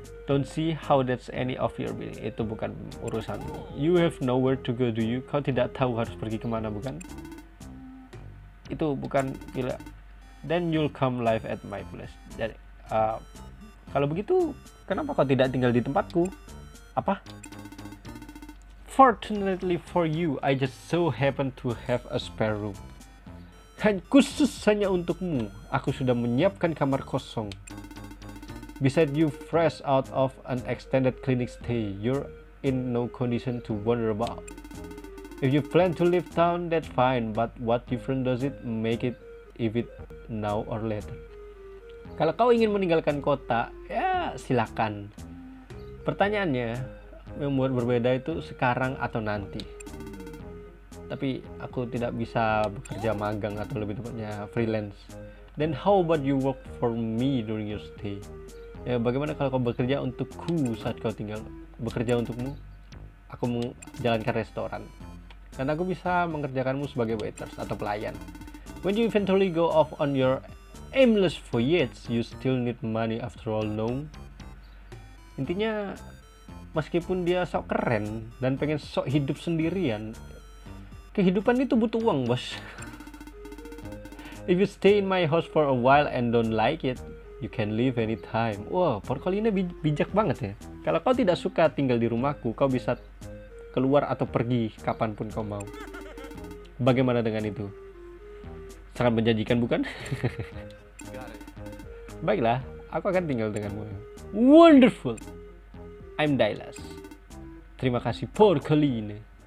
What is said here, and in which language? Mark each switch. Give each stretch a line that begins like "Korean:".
English: Don't see how that's any of your business.
Indonesian: Itu bukan urusanmu.
English: You have nowhere to go, do you?
Indonesian: Kau tidak tahu harus pergi kemana, bukan? Itu bukan gila.
English: Then you'll come live at my place.
Indonesian: Jadi, kalau begitu, kenapa kau tidak tinggal di tempatku? Apa?
English: Fortunately for you, I just so happen to have a spare room.
Indonesian: Dan khusus hanya untukmu, aku sudah menyiapkan kamar kosong.
English: Beside you, fresh out of an extended clinic stay, you're in no condition to wonder about. If you plan to leave town, that's fine, but what difference does it make it if it now or later?
Indonesian: Kalau kau ingin meninggalkan kota, ya silakan. Pertanyaannya, yang membuat berbeda itu sekarang atau nanti. Tapi aku tidak bisa bekerja magang atau lebih tepatnya freelance.
English: Then how about you work for me during your stay?
Indonesian: Ya, bagaimana kalau kau bekerja untukku saat kau tinggal? Bekerja untukmu? Aku menjalankan restoran. Dan aku bisa mengerjakanmu sebagai waiters atau pelayan.
English: When you eventually go off on your aimless voyage, you still need money after all, no?
Indonesian: Intinya, meskipun dia sok keren dan pengen sok hidup sendirian, kehidupan itu butuh uang, bos.
English: If you stay in my house for a while and don't like it, you can leave anytime.
Indonesian: Wow, Porcolina bijak banget ya. Kalau kau tidak suka tinggal di rumahku, kau bisa keluar atau pergi kapanpun kau mau. Bagaimana dengan itu? Sangat menjanjikan, bukan? Baiklah, aku akan tinggal denganmu.
English: Wonderful! I'm Dylas.
Indonesian: Terima kasih,
English: Porcolina.